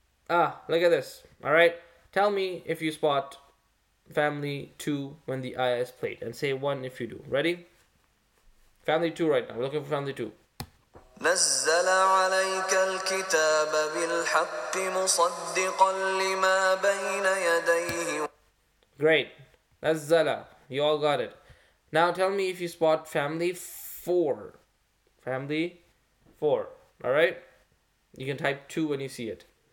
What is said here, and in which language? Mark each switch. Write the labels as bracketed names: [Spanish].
[English] Ah, look at this. All right. Tell me if you spot family two when the ayah is played. And say one if you do. Ready? Family two right now. We're looking for family two. [Arabic] نزل عليك الكتاب بالحق مصدقا لما بين يديه. [English] Great. نزل. You all got it. Now tell me if you spot family four. Family four. All right. You can type two when you see it.